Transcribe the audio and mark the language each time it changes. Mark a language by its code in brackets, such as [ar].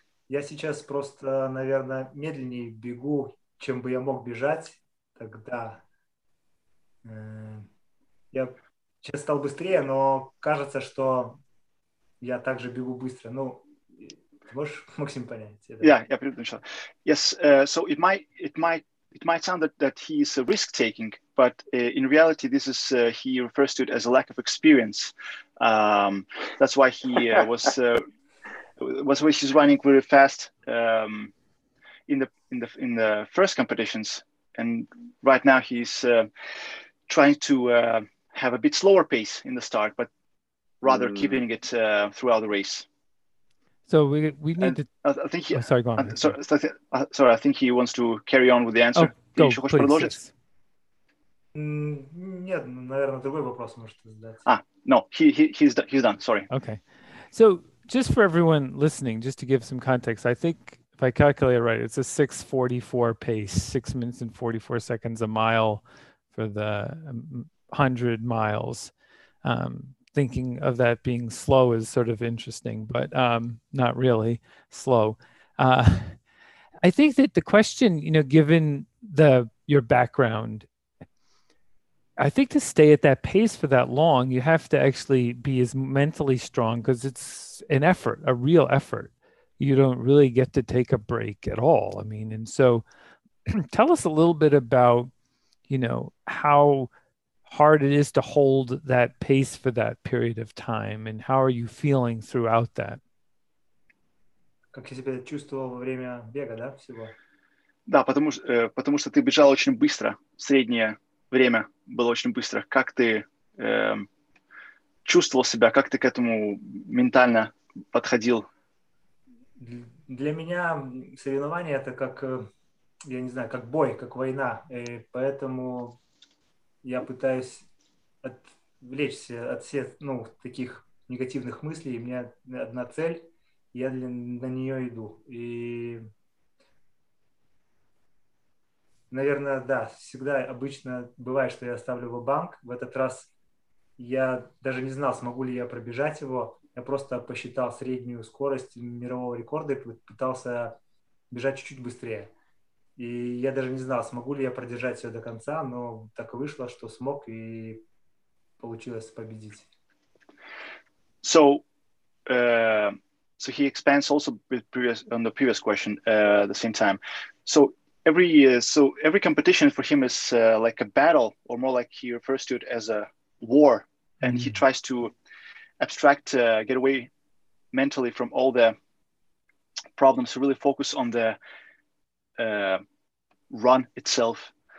[ru] Я сейчас просто, наверное, медленнее бегу, чем бы я мог бежать тогда. Я сейчас стал быстрее, но кажется, что я также бегу быстро. Ну, можешь, Максим, понять? Я понял. [en] Yes, so it might sound that he is risk taking, but in reality, this is he refers to it as a lack of experience. That's why he was he's running very fast in the first competitions, and right now he's trying to have a bit slower pace in the start, but rather keeping it throughout the race. So we need and to. I think he, oh, sorry, go on. Sorry, I think he wants to carry on with the answer. Oh, go, please. Yes. [ru] Нет, наверное, другой вопрос может задать. [en] No, he's done. Sorry. Okay, so. Just for everyone listening, just to give some context, I think if I calculate right, it's a 6:44 pace, 6 minutes and 44 seconds a mile for the 100 miles. Thinking of that being slow is sort of interesting, but not really slow. I think that the question, you know, given your background, I think to stay at that pace for that long, you have to actually be as mentally strong, because it's an effort, a real effort. You don't really get to take a break at all. I mean, and so tell us a little bit about, you know, how hard it is to hold that pace for that period of time, and how are you feeling throughout that? [ru] Как я себя чувствовал во время бега, да, всего? Да, потому что ты бежал очень быстро, среднее время было очень быстро. Как ты чувствовал себя? Как ты к этому ментально подходил? Для меня соревнования — это как, я не знаю, как бой, как война. И поэтому я пытаюсь отвлечься от всех, ну, таких негативных мыслей. У меня одна цель, я на нее иду. И, наверное, да, всегда обычно бывает, что я оставлю ва-банк. В этот раз я даже не знал, смогу ли я пробежать его. Я просто посчитал среднюю скорость мирового рекорда и пытался бежать чуть-чуть быстрее. И я даже не знал, смогу ли я продержать все до конца, но так вышло, что смог, и получилось победить. [en] So, so he expands also with previous, on the previous question at the same time. So every every competition for him is like a battle, or more like he refers to it as a war, and he tries to abstract, get away mentally from all the problems, to really focus on the run itself.